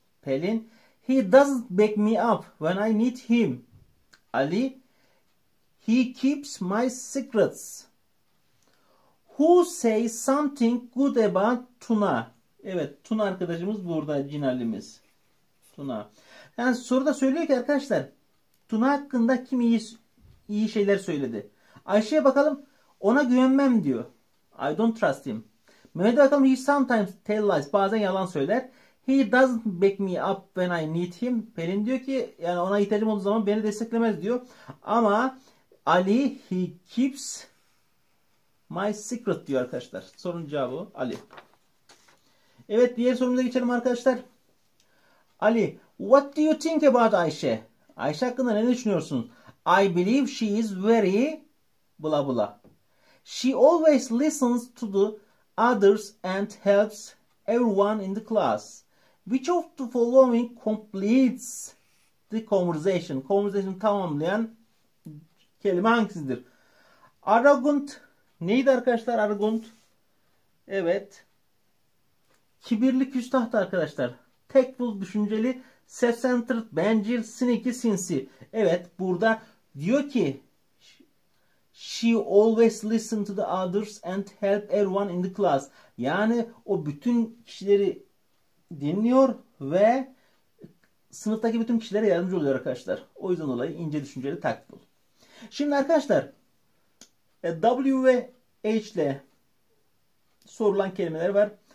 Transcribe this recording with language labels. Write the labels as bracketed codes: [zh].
[en] Pelin, he doesn't back me up when I need him. Ali, he keeps my secrets. Who says something good about Tuna? [tr] Evet, Tuna arkadaşımız burada, Cinalimiz. Tuna. Yani soruda söylüyor ki arkadaşlar, Tuna hakkında kim iyi şeyler söyledi? Ayşe'ye bakalım, ona güvenmem diyor. [en] I don't trust him. [tr] Mehmet'e bakalım, [en] he sometimes tell lies. [tr] Bazen yalan söyler. [en] He doesn't back me up when I need him. [tr] Pelin diyor ki, yani ona ihtiyacım olduğu zaman beni desteklemez diyor. Ama Ali, [en] he keeps my secret [tr] diyor arkadaşlar. Sorunun cevabı Ali. Evet, diğer sorumuza geçelim arkadaşlar. [en] Ali, what do you think about Ayşe? [tr] Ayşe hakkında ne düşünüyorsunuz? [en] I believe she is very bla bla. She always listens to the others and helps everyone in the class. Which of the following completes the conversation? [tr] Conversation tamamlayan kelime hangisidir? Arrogant neydi arkadaşlar? Arrogant. Evet. Kibirli küstahtı arkadaşlar. Tek bu düşünceli, self-centered, bencil, sneaky, sinsi. Evet, burada diyor ki [en] she always listen to the others and help everyone in the class. [tr] Yani o bütün kişileri dinliyor ve sınıftaki bütün kişilere yardımcı oluyor arkadaşlar. O yüzden dolayı ince düşünceli, tactful. Şimdi arkadaşlar, W ve H ile sorulan kelimeler var.